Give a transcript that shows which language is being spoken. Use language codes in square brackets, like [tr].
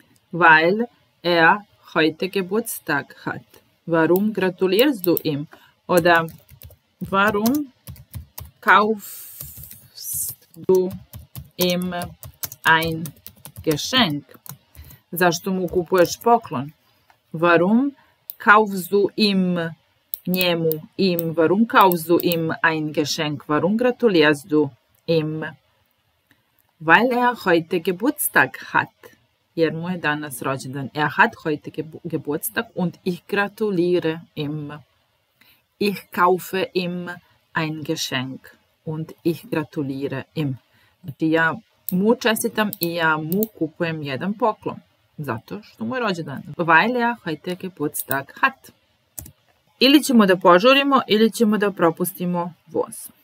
[de] Weil heute Geburtstag hat. Warum gratulierst du ihm? Oder warum kaufst du ihm ein Geschenk? [sr] Zašto mu kupuješ poklon? [de] Warum kaufst du ihm njemu ihm? Warum kaufst du ihm ein Geschenk? Warum gratulierst du ihm? Weil heute Geburtstag hat. [sr] Jer mu je danas rođendan. [de] Hat heute Geburtstag und ich gratuliere ihm. Ich kaufe ihm ein Geschenk und ich gratuliere ihm. [sr] Znači ja mu čestitam i ja mu kupujem jedan poklon. Zato što mu je rođendan. [de] Weil heute Geburtstag hat. [sr] Ili ćemo da požurimo ili ćemo da propustimo voz.